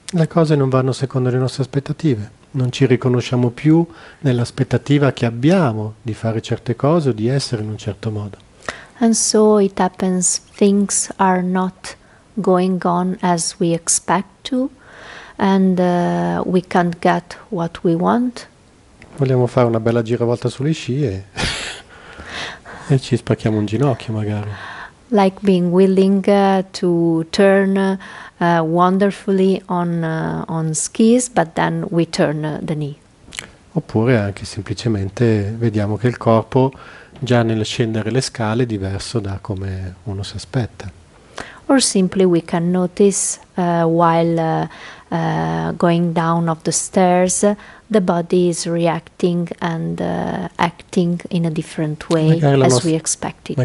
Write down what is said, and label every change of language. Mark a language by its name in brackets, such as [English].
[Italian] Le cose non vanno secondo le nostre aspettative. Non ci riconosciamo più nell'aspettativa che abbiamo di fare certe cose o di essere in un certo modo. [English] And so it happens things are not going on as we expect to. And we can't get what we want. [Italian] Vogliamo fare una bella giravolta sulle scie e ci spacchiamo un ginocchio magari. [English] Like being willing to turn wonderfully on skis, but then we turn the knee. [Italian] Oppure anche semplicemente vediamo che il corpo già nel scendere le scale è diverso da come uno si aspetta. [English] Or simply we can notice while going down of the stairs, the body is reacting and acting in a different way as we expected.